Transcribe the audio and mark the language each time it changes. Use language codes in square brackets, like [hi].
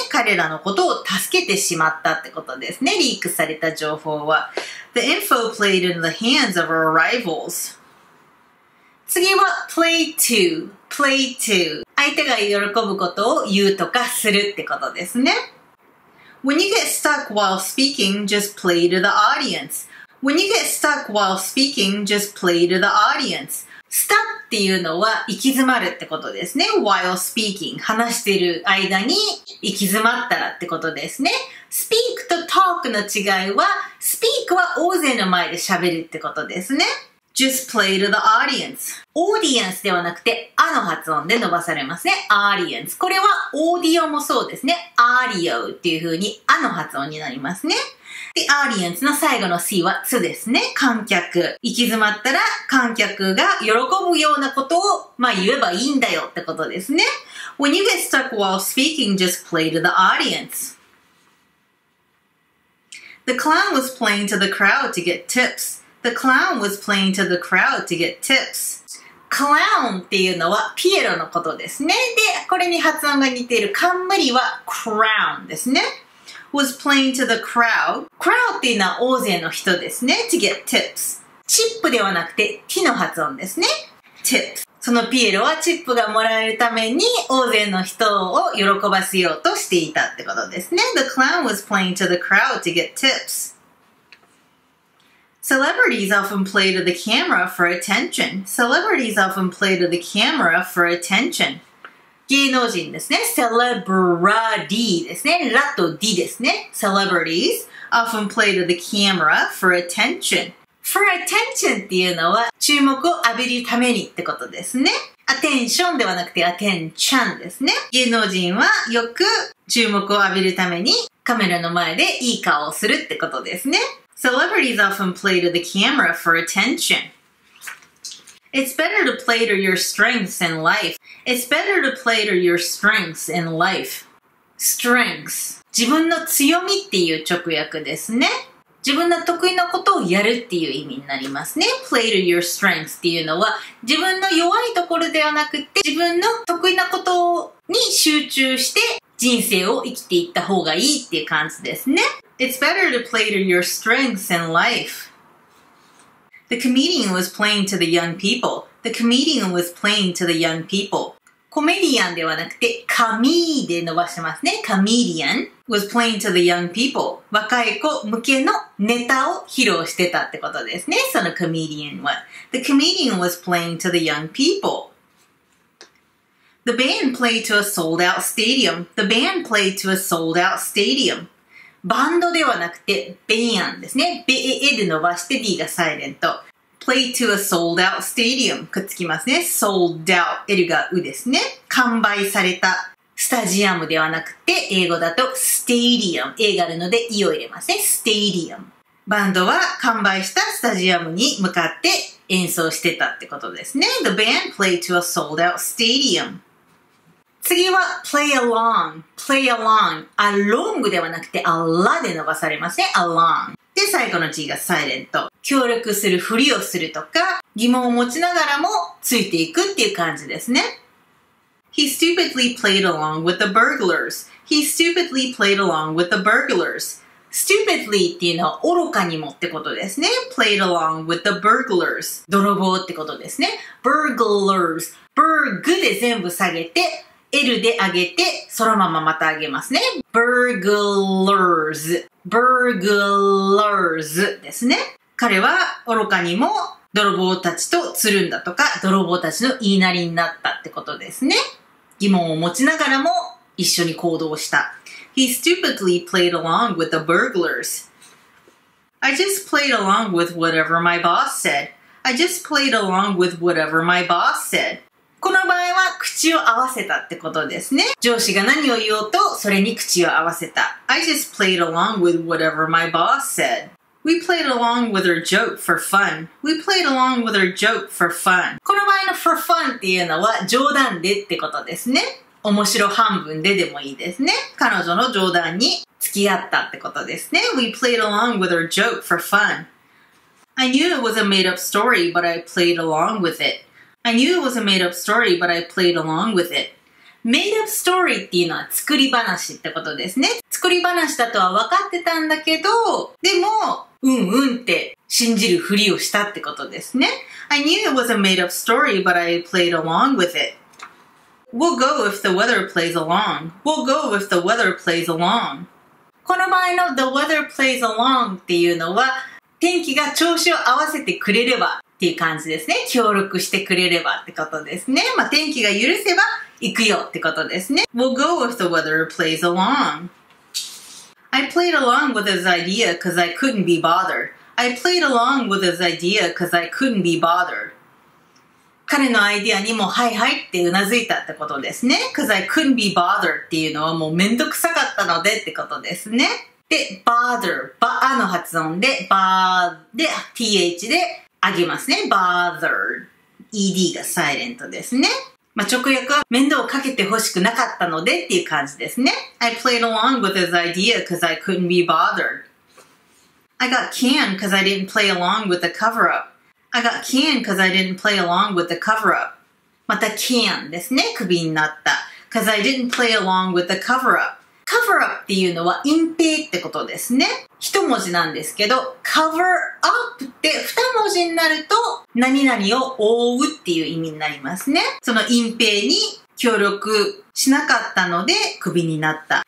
[ja] 彼らのことを助けてしまったってことですね。リークされた情報は。 [en] The info played in the hands of our rivals。 [ja] 次は [en] play to, play to. [ja] 相手が喜ぶことを言うとかするってことですね。 [en] When you get stuck while speaking, just play to the audience. When you get stuck while speaking, just play to the audience. [ja] Stuck っていうのは行き詰まるってことですね。 [en] while speaking, [ja] 話してる間に行き詰まったらってことですね。 speak と talk の違いは、speak は大勢の前で喋るってことですね。 [en] Just play to the audience. [ja] Audience ではなくて、あの発音で伸ばされますね。Audience. これはオーディオもそうですね。Audio っていう風にあの発音になりますね。で、Audience の最後の C はつですね。観客。行き詰まったら観客が喜ぶようなことを、まあ、言えばいいんだよってことですね。 [en] When you get stuck while speaking, just play to the audience. The clown was playing to the crowd to get tips. The clown was playing to the crowd to get tips. [ja] Clown っていうのはピエロのことですね。で、これに発音が似ている冠は crown ですね。 [en] Was playing to the crowd. [ja] Crowd っていうのは大勢の人ですね。 [en] To get tips. [ja] チップではなくてティの発音ですね。 [en] Tips. [ja] そのピエロはチップがもらえるために大勢の人を喜ばせようとしていたってことですね。 [en] The clown was playing to the crowd to get tips. Celebrities often play to the camera for attention. Celebrities often play to the camera for attention. [ja] 芸能人ですね。Celebrity ですね。ラと D ですね。 [en] Celebrities often play to the camera for attention. For attention [ja] っていうのは注目を浴びるためにってことですね。 Attention ではなくて attention ですね。芸能人はよく注目を浴びるためにカメラの前でいい顔をするってことですね。 [en] Celebrities often play to the camera for attention. It's better to play to your strengths in life. It's better to play to your strengths in life. Strengths. [ja] 自分の強みっていう直訳ですね。自分の得意なことをやるっていう意味になりますね。 [en] Play to your strengths [ja] っていうのは自分の弱いところではなくて自分の得意なことに集中して人生を生きていった方がいいっていう感じですね。 [en] It's better to play to your strengths in life. The comedian was playing to the young people. The comedian was playing to the young people. [ja] コメディアンではなくて、カミーで伸ばしますね。カメディアン [en] was playing to the young people. [ja] 若い子向けのネタを披露してたってことですね。そのコメディアンは。 [en] The comedian was playing to the young people. The band played to a sold-out stadium. The band played to a sold-out stadium. [ja] バンドではなくて、band ですね。b a で伸ばして d がサイレント。 [en] played to a sold-out stadium. [ja] くっつきますね。 [en] sold-out. l [ja] がうですね。完売された。スタジアムではなくて、英語だと stadium。 a があるので e を入れますね。 [en] stadium。 [ja] バンドは完売したスタジアムに向かって演奏してたってことですね。 [en] The band played to a sold out stadium. [ja] 次は [en] play along. play along. along [ja] ではなくて [en] ala [ja] で伸ばされますね。 [en] along. [ja] で、最後の G がサイレント。協力するふりをするとか、疑問を持ちながらもついていくっていう感じですね。 [en] He stupidly played along with the burglars. He stupidly played along with the burglars. [ja] Stupidly っていうのは愚かにもってことですね。 [en] Played along with the burglars. [ja] 泥棒ってことですね。Burglars. Burg で全部下げて、L で上げて、そのまままた上げますね。 [en] Burglars. [ja] Burglars ですね。彼は愚かにも泥棒たちとつるんだとか、泥棒たちの言いなりになったってことですね。疑問を持ちながらも一緒に行動した。 [en] He stupidly played along with the burglars. I just played along with whatever my boss said. I just played along with whatever my boss said. [ja] この場合は口を合わせたってことですね。上司が何を言おうとそれに口を合わせた。 [en] I just played along with whatever my boss said. We played along with her joke for fun. We played along with her joke for fun. [ja] この場合の for fun っていうのは冗談でってことですね。面白半分ででもいいですね。彼女の冗談に付き合ったってことですね。 [en] We played along with her joke for fun. I knew it was a made up story, but I played along with it. I knew it was a made up story, but I played along with it. Made up story [ja] っていうのは作り話ってことですね。作り話だとは分かってたんだけど、でも、うんうんって信じるふりをしたってことですね。 [en] I knew it was a made up story, but I played along with it. We'll go if the weather plays along. We'll go if the weather plays along. [ja] この場合の [en] the weather plays along [ja] っていうのは、天気が調子を合わせてくれればっていう感じですね。協力してくれればってことですね。まあ天気が許せば行くよってことですね。 [en] We'll go if the weather plays along. I played along with his idea because I couldn't be bothered. I played along with his idea because I couldn't be bothered. [ja] 彼のアイディアにもはいはいってうなずいたってことですね。 [en] Because I couldn't be bothered [ja] っていうのはもうめんどくさかったのでってことですね。で、bother、ba の発音で、ba で、th で上げますね。bothered。 ed がサイレントですね。まあ、直訳は面倒をかけて欲しくなかったのでっていう感じですね。 [en] I played along with his idea because I couldn't be bothered. I got canned because I didn't play along with the cover up. I got canned because I didn't play along with the cover up. [ja] また can ですね。クビになった。 [en] Because I didn't play along with the cover up. [ja] Cover up っていうのは隠蔽ってことですね。一文字なんですけど、cover up って二文字になると、何々を覆うっていう意味になりますね。その隠蔽に協力しなかったので、クビになった。